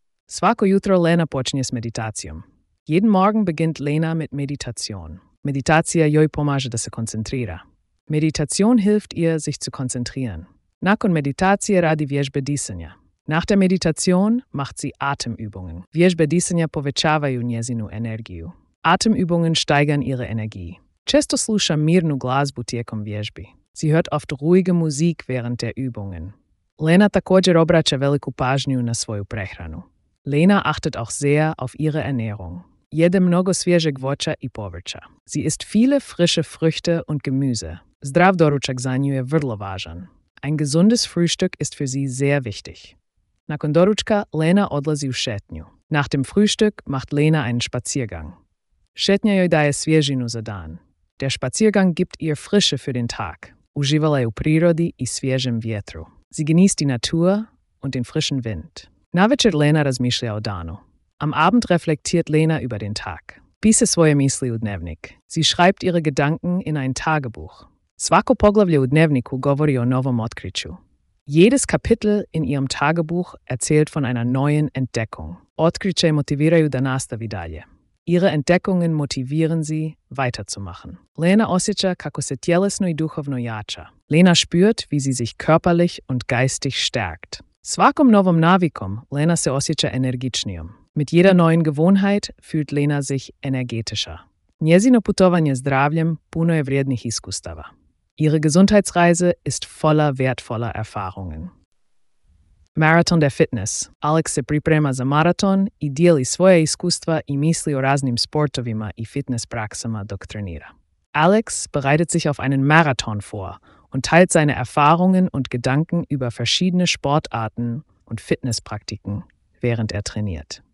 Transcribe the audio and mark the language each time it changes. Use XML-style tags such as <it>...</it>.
<hr>Svako jutro Lena počinje s meditacijom.</hr> <de>Jeden Morgen beginnt Lena mit Meditation.</de> <hr>Meditacija joj pomaže da se koncentrira.</hr> <de>Meditation hilft ihr, sich zu konzentrieren.</de> <hr>Nakon meditacije radi vježbe disanja.</hr> <de>Nach der Meditation macht sie Atemübungen.</de> <hr>Vježbe disanja povećavaju njezinu energiju.</hr> <de>Atemübungen steigern ihre Energie.</de> <hr>Često sluša mirnu glazbu tijekom vježbi.</hr> <de>Sie hört oft ruhige Musik während der Übungen.</de> <hr>Lena također obraća veliku pažnju na svoju prehranu.</hr> <de>Lena achtet auch sehr auf ihre Ernährung.</de> <hr>Jede mnogo svježeg voća i povrća.</hr> <de>Sie isst viele frische Früchte und Gemüse.</de> <hr>Zdrav doručak za nju je vrlo važan.</hr> <de>Ein gesundes Frühstück ist für sie sehr wichtig.</de> <hr>Nakon doručka, Lena odlazi u šetnju.</hr> <de>Nach dem Frühstück macht Lena einen Spaziergang.</de> <hr>Šetnja joj daje svježinu za dan.</hr> <de>Der Spaziergang gibt ihr Frische für den Tag.</de> <hr>Uživala je u prirodi i svježem vjetru.</hr> <de>Sie genießt die Natur und den frischen Wind.</de> <hr>Navečer Lena razmišlja o danu.</hr> <de>Am Abend reflektiert Lena über den Tag.</de> <hr>Piše svoje misli u dnevnik.</hr> <de>Sie schreibt ihre Gedanken in ein Tagebuch.</de> <hr>Svako poglavlje u dnevniku govori o novom otkriću.</hr> <de>Jedes Kapitel in ihrem Tagebuch erzählt von einer neuen Entdeckung.</de> <hr>Otkriće motiviraju da nastavi dalje.</hr> <de>Ihre Entdeckungen motivieren sie, weiterzumachen.</de> <hr>Lena osjeća kako se tjelesno i duhovno jača.</hr> <de>Lena spürt, wie sie sich körperlich und geistig stärkt.</de> <hr>Svakom novom navikom Lena se osjeća energičnijom.</hr> <de>Mit jeder neuen Gewohnheit fühlt Lena sich energetischer.</de> <hr>Njezino putovanje zdravljem puno je vrijednih iskustava.</hr> <de>Ihre Gesundheitsreise ist voller wertvoller Erfahrungen. Marathon der Fitness.</de> <hr>Alex se priprema za maraton i dijeli svoje iskustva i misli o raznim sportovima i fitnesspraksama dok trenira.</hr> <de>Alex bereitet sich auf einen Marathon vor und teilt seine Erfahrungen und Gedanken über verschiedene Sportarten und Fitnesspraktiken, während er trainiert.</de>